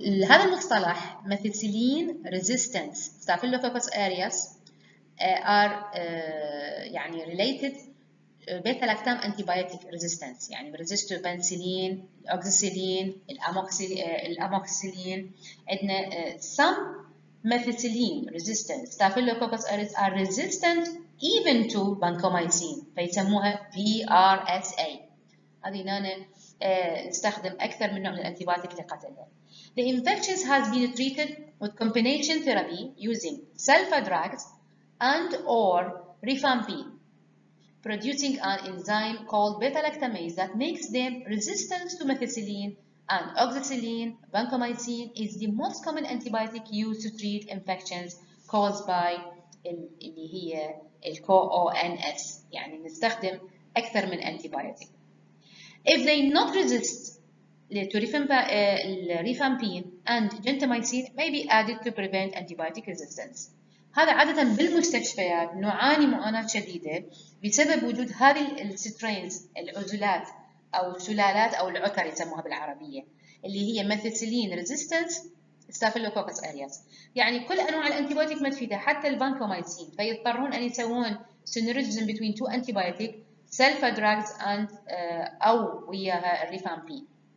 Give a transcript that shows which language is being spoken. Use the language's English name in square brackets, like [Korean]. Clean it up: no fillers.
[Arabic] هذا المصطلح [English] methicillin resistance staphylococcus aureus [Arabic] يعني [English] related beta lactam antibiotic resistance، يعني resist to penicillin, oxicillin, الاموكسيلين. عندنا some methicillin resistant staphylococcus aureus are resistant even to vancomycin، [Arabic] فيسموها [English] VRSA. [Arabic] هذه نانا استخدم اكثر من نوع من الانتيبيوتيك لقتلها. [English] The infections has been treated with combination therapy using sulfa drugs and or rifampin producing an enzyme called beta lactamase that makes them resistant to methicillin. And oxicillin, vancomycin is the most common antibiotic used to treat infections caused by [Arabic] اللي هي [English] CONS، [Arabic] يعني نستخدم أكثر من [English] antibiotic. If they not resist rifampin and gentamicin may be added to prevent antibiotic resistance. [Arabic] هذا عادة بالمستشفيات نعاني معاناة شديدة بسبب وجود هذه السترينز العزلات أو سلالات أو العتر يسموها بالعربية، اللي هي methicillin resistant staphylococcus aureus. يعني كل أنواع الأنتيبيوتيك ما تفيدها حتى البانكومايسين، فيضطرون أن يسوون [English] synergism between two antibiotic sulfa drugs and [Arabic] أو وياها الريفامبين.